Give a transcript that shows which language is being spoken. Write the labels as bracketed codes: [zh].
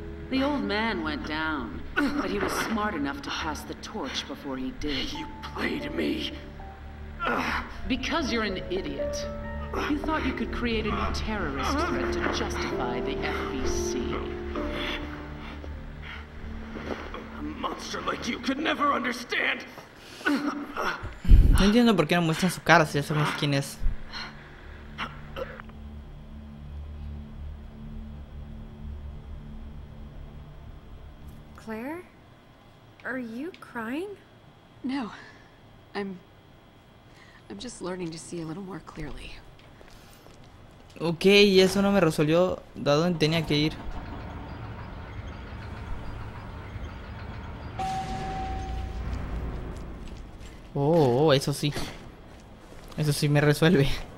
[en] The old man went down, but he was smart enough to pass the torch before he did. You played me. Because you're an idiot. You thought you could create a new terrorist threat to justify the FBC. A monster like you could never understand. [es] No entiendo por qué no muestran su cara, si ya sabemos quién es. [en] Claire, are you crying? No, I'm just learning to see a little more clearly. [es] Okay, y eso no me resolvió de dónde tenía que ir. Oh, eso sí. Eso sí me resuelve.